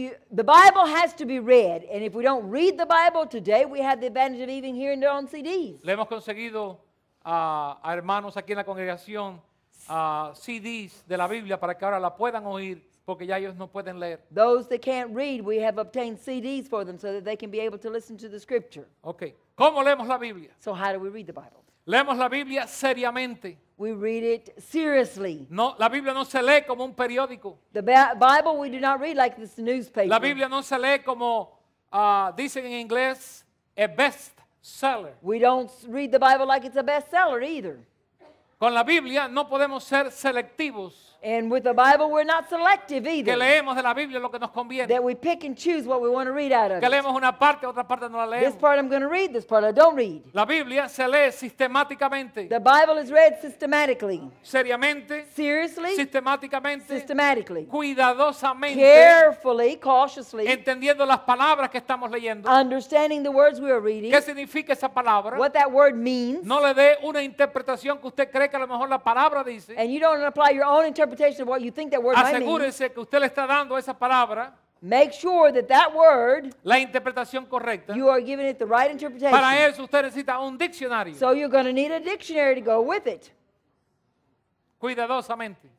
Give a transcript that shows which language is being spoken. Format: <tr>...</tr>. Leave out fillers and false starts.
<en>The Bible has to be read, and if we don't read the Bible today, we have the advantage of even hearing it on CDs.</en> <es>Le hemos conseguido a hermanos aquí en la congregación CDs de la Biblia para que ahora la puedan oír porque ya ellos no pueden leer.</es> <en>Those that can't read, we have obtained CDs for them so that they can be able to listen to the scripture.</en> <es>Okay. ¿Cómo leemos la Biblia?</es> <en>So how do we read the Bible?</en> <es>Leemos la Biblia seriamente.</es> <en>We read it seriously.</en> <es>No, la Biblia no se lee como un periódico.</es> <en>The Bible we do not read like this newspaper.</en> <es>La Biblia no se lee como dicen en inglés</es> <en>a best seller. We don't read the Bible like it's a best seller either.</en> <es>Con la Biblia no podemos ser selectivos.</es> <en>And with the Bible we're not selective either.</en> <es>Que leemos de la Biblia lo que nos conviene.</es> <en>That we pick and choose what we want to read out of.</en> <es>Que leemos una parte, otra parte no la leemos.</es> <en>This part I'm going to read, this part I don't read.</en> <es>La Biblia se lee sistemáticamente.</es> <en>The Bible is read systematically.</en> <es>Seriamente.</es> <en>Seriously.</en> <es>Sistemáticamente.</es> <en>Systematically.</en> <es>Cuidadosamente.</es> <en>Carefully, cautiously.</en> <es>Entendiendo las palabras que estamos leyendo.</es> <en>Understanding the words we are reading.</en> <es>¿Qué significa esa palabra?</es> <en>What that word means.</en> <es>No le dé una interpretación que usted cree que a lo mejor la palabra dice.</es> <en>And you don't apply your own interpretation of what you think that word</en> <es>asegúrese</es> <en>might mean.</en> <es>Que usted le está dando esa palabra,</es> <en>make sure that that word</en> <es>la interpretación correcta,</es> <en>you are giving it the right interpretation.</en> <es>Para eso usted necesita un diccionario.</es> <en>So you're going to need a dictionary to go with it.</en> <es>Cuidadosamente.</es>